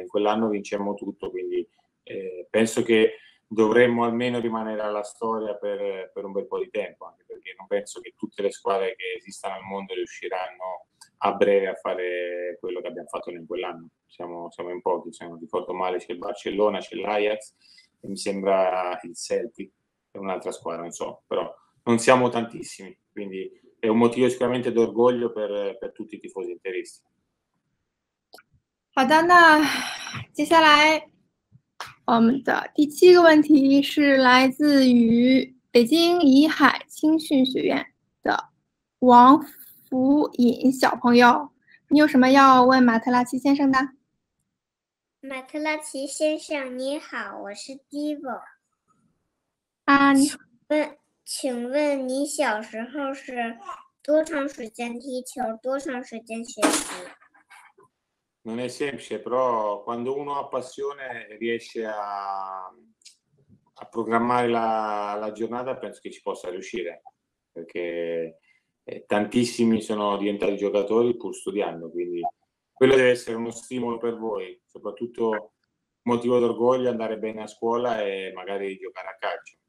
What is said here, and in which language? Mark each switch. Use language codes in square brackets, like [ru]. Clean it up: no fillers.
[it] In quell'anno vincemmo tutto, quindi penso che dovremmo almeno rimanere alla storia per un bel po' di tempo, anche perché non penso che tutte le squadre che esistano al mondo riusciranno a breve a fare quello che abbiamo fatto in quell'anno. Siamo in pochi, se non ricordo male c'è il Barcellona, c'è l'Ajax, e mi sembra il Celtic, è un'altra squadra, non so, però non siamo tantissimi. Quindi è un motivo sicuramente d'orgoglio per tutti i tifosi interisti. [zh] Adana, 接下来我们的第七个问题是来自于北京怡海青训学院的王福尹小朋友，你有什么要问马特拉奇先生的？马特拉奇先生你好，我是 Divo。啊，你问。请问你小时候是多长时间踢球，多长时间学习？ [it] Non è semplice, però quando uno ha passione riesce a programmare la giornata, penso che ci possa riuscire, perché tantissimi sono diventati giocatori pur studiando, quindi quello deve essere uno stimolo per voi, soprattutto motivo d'orgoglio andare bene a scuola e magari giocare a calcio.